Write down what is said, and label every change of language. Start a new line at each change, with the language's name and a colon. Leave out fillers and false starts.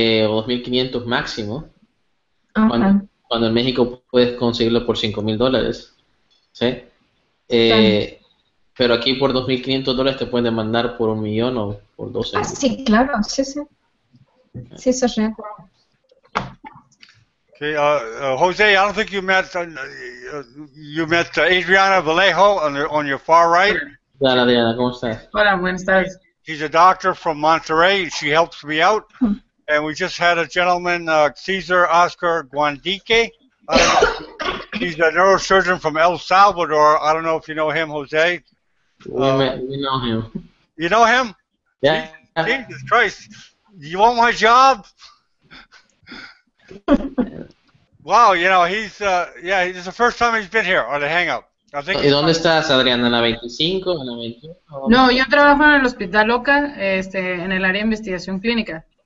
Spanish: O $2,500 máximo. Ajá. Cuando en México puedes conseguirlo por $5,000, ¿sí? Pero aquí por $2,500 te pueden demandar por $1,000,000 o por 12. Ah, sí, claro, sí. Sí, eso es real.
English: Okay, Jose, I don't think you met Adriana Vallejo on your far right.
Spanish: Hola, Adriana, ¿cómo estás? Hola, buenas tardes.
English: She's a doctor from Monterrey, she helps me out. And we just had a gentleman, Cesar Oscar Guandique. He's a neurosurgeon from El Salvador. I don't know if you know him, Jose. We know him. You know him? Yeah. Jesus Christ. You want my job? Wow, you know, it's the first time he's been here on the hangout. I think.
Spanish: ¿Y dónde estás, Adriana? ¿En la 25? ¿En la 21? No, yo trabajo en el hospital local, en el área de investigación clínica.